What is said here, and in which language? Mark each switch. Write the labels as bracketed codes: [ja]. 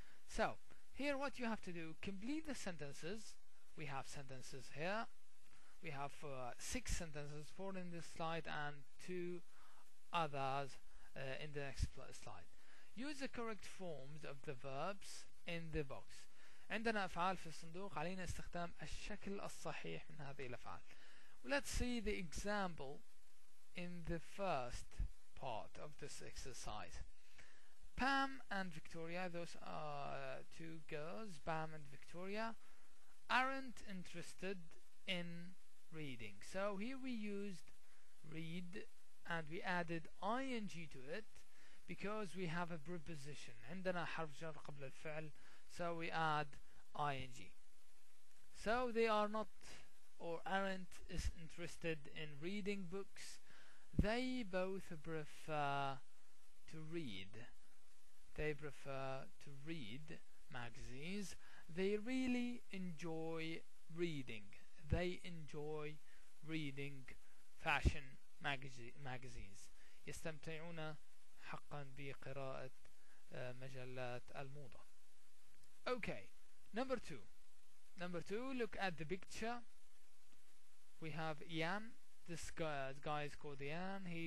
[en] So here what you have to do, complete the sentences. We have sentences here. We have six sentences, four in this slide and two others in the next slide. Use the correct forms of the verbs in the box. [ar] عندنا أفعال في الصندوق علينا استخدام الشكل الصحيح من هذه الأفعال. [en] Let's see the example in the first part of this exercise. Pam and Victoria, those are two girls, Pam and Victoria, aren't interested in reading. So here we used read and we added ing to it because we have a preposition. [ar] عندنا حرف جر قبل الفعل. [en] So we add ing. So they are not or aren't interested in reading books, they both prefer to read. They prefer to read magazines. They really enjoy reading. They enjoy reading fashion magazines. [ar] يستمتعون حقا بقراءة مجلات الموضة. [en] Okay, number two, look at the picture. We have Ian. This guy is called Ian.